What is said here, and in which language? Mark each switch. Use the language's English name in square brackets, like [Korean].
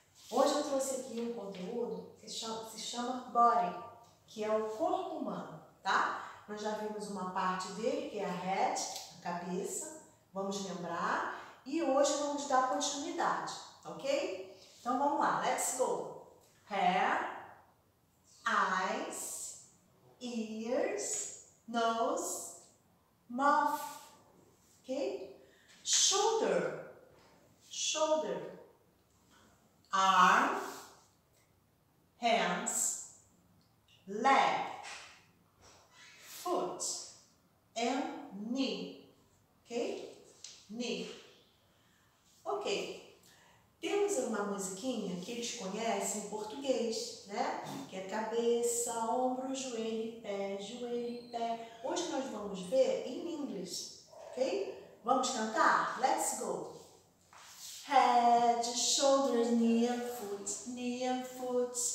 [Portuguese] Hoje eu trouxe aqui um conteúdo que se chama Body, que é o corpo humano, tá? Nós já vimos uma parte dele, que é a head, a cabeça, vamos lembrar, e hoje vamos dar continuidade, ok? Então vamos lá, [English] let's go! Hair, eyes, ears, nose, mouth, ok? Shoulder, arm, hands, leg, foot, and knee, ok? Knee. [Portuguese] Ok, temos uma musiquinha que eles conhecem em português, né? Que é cabeça, ombro, joelho, pé. Hoje nós vamos ver em inglês, ok? Vamos cantar? [English] Let's go! Head, shoulder, knee and foot, knee and foot.